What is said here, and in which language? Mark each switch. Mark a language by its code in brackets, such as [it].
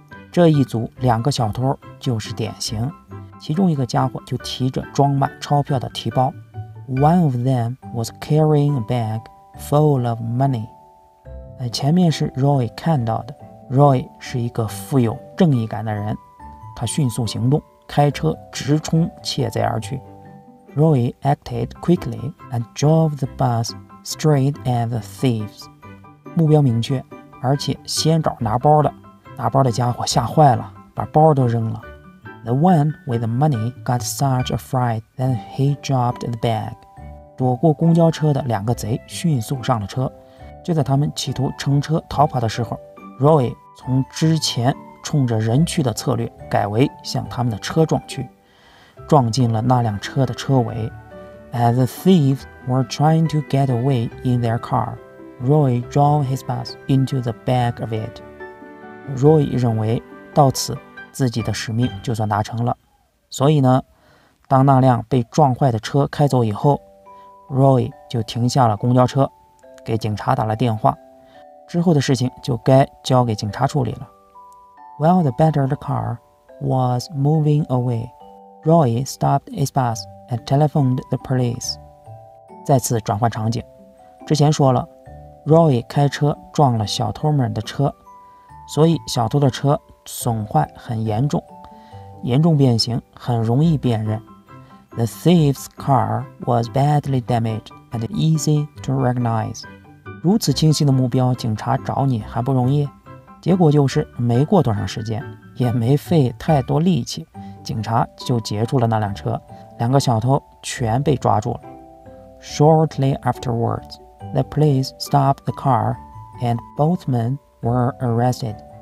[zh] 这一组两个小偷就是典型，其中一个家伙就提着装满钞票的提包。 [en] One of them was carrying a bag full of money。 [zh] 前面是 Roy 看到的， Roy 是一个富有正义感的人，他迅速行动，开车直冲窃贼而去。 [en] Roy acted quickly and drove the bus straight at the thieves。 [zh] 目标明确，而且先找拿包的，拿包的家伙吓坏了，把包都扔了。 [en] The one with the money got such a fright that he dropped the bag。 [zh] 躲过公交车的两个贼迅速上了车，就在他们企图乘车逃跑的时候， Roy 从之前冲着人去的策略改为向他们的车撞去，撞进了那辆车的车尾。 [en] As the thieves were trying to get away in their car,Roy drove his bus into the back of it。 [zh] Roy 认为到此自己的使命就算达成了，所以呢，当那辆被撞坏的车开走以后， Roy 就停下了公交车，给警察打了电话，之后的事情就该交给警察处理了。 [en] While the battered car was moving away, Roy stopped his bus and telephoned the police。 [zh] 再次转换场景，之前说了Roy 开车撞了小偷们的车，所以小偷的车损坏很严重，严重变形很容易辨认。 [en] The thief's car was badly damaged and easy to recognize。 [zh] 如此清晰的目标警察找你还不容易？结果就是没过多长时间，也没费太多力气，警察就截住了那辆车，两个小偷全被抓住了。 [en] Shortly afterwards,The police stopped the car and both men were arrested。